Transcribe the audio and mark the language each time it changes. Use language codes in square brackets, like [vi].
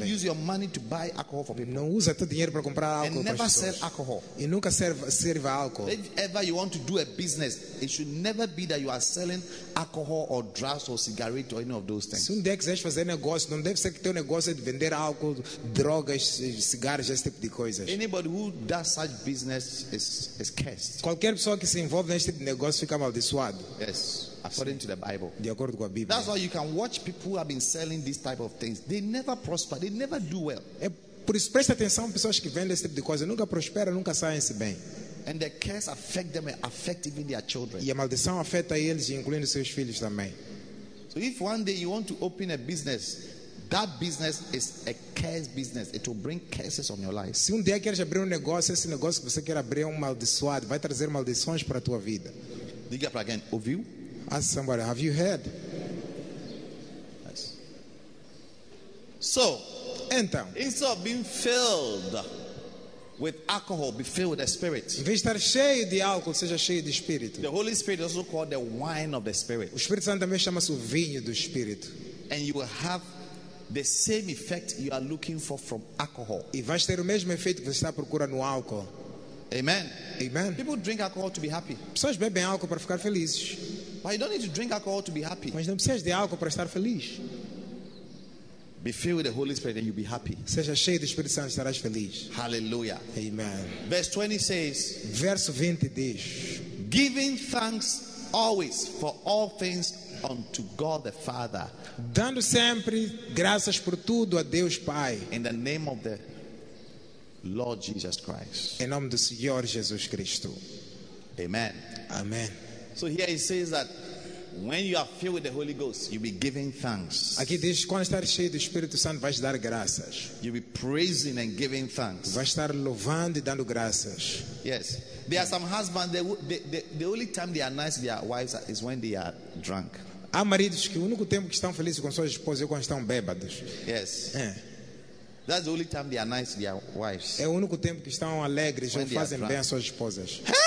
[en] Don't use your money to buy alcohol for people. [pt] Não usa teu dinheiro para comprar álcool para pessoas. [en] And never sell alcohol. [pt] E nunca sirva álcool. [en] If ever you want to do a business, it should never be that you are selling alcohol or drugs or cigarettes or any of those things. [pt] Se um dia quiseres fazer negócio, não deve ser que teu negócio é de vender álcool, drogas, cigarros, esse tipo de coisas. [en] Anybody who does such business is cursed. [pt] Qualquer pessoa que se envolve neste negócio fica amaldiçoado. [en] Yes. According to the Bible. [pt] De acordo com a Bíblia. [en] That's why you can watch people who have been selling these type of things. They never prosper. They never do well. [pt] É por isso, preste atenção, pessoas que vendem esse tipo de coisa nunca prosperam, nunca saem-se bem. [en] And the curse affect them and affect even their children. [pt] E a maldição afeta eles, incluindo seus filhos também. [en] So if one day you want to open a business, that business is a curse business. It will bring curses on your life. [pt] Se um dia queres abrir um negócio, esse negócio que você quer abrir é um amaldiçoado, vai trazer maldições para a tua vida. Diga para alguém, ouviu? [en] Ask somebody, have you heard? Yes. So, [pt] então, [en] instead of being filled with alcohol, be filled with the Spirit. [pt] Em vez de estar cheio de álcool, seja cheio de Espírito. [en] The Holy Spirit is also called the wine of the Spirit. [pt] O Espírito Santo também chama-se o vinho do Espírito. [en] And you will have the same effect you are looking for from alcohol. [pt] E vais ter o mesmo efeito que você está procurando no álcool. Amen. Amen. [en] People drink alcohol to be happy. [pt] Pessoas bebem álcool para ficar felizes. [en] But you don't need to drink alcohol to be happy. [pt] Mas não precisas de álcool para estar feliz. [en] Be filled with the Holy Spirit and you'll be happy. [pt] Seja cheio do Espírito Santo e estarás feliz. Hallelujah. Amen. [en] Verse 20 says. [pt] Verso 20 diz. [en] Giving thanks always for all things unto God the Father. [pt] Dando sempre graças por tudo a Deus Pai. [en] In the name of the Lord Jesus Christ. [pt] Em nome do Senhor Jesus Cristo. Amen. Amen. [en] So here it says that when you are filled with the Holy Ghost, you'll be giving thanks. [pt] Aqui diz quando estar cheio do Espírito Santo vais dar graças. [en] You'll be praising and giving thanks. [pt] Vai estar louvando e dando graças. [en] Yes. There are some husbands the only time they are nice to their wives is when they are drunk. [pt] Há maridos que o único tempo que estão felizes com suas esposas é quando estão bêbados. [en] Yes. [pt] É. [en] That's the only time they are nice to their wives. [pt] É o único tempo que estão alegres e fazem bem às suas esposas.